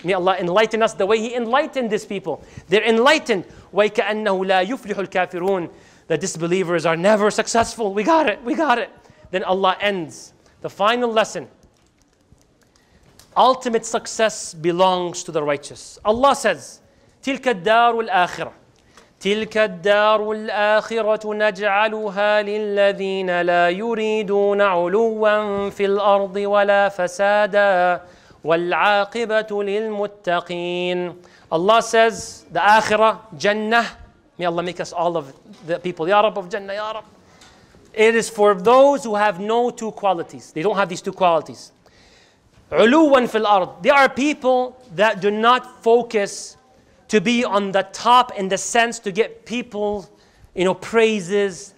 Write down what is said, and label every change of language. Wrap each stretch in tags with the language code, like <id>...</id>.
<en>May Allah enlighten us the way He enlightened these people. They're enlightened.</en> <ar>وَيْكَأَنَّهُ لَا يُفْلِحُ الْكَافِرُونَ.</ar> <en>The disbelievers are never successful. We got it. Then Allah ends. The final lesson. Ultimate success belongs to the righteous. Allah says,</en> <ar>تِلْكَ الدَّارُ الْآخِرَةُ تلك الدار الآخرة نجعلها للذين لا يريدون علوا في الأرض ولا فسادا والعاقبة للمتقين.</ar> <en>Allah says, the Akhirah, Jannah, may Allah make us all of the people, Ya Rabb of Jannah, Ya Rabb. It is for those who have no two qualities. They don't have these two qualities.</en> <ar>علوا في الأرض.</ar> <en>They are people that do not focus to be on the top in the sense to get people, praises.</en>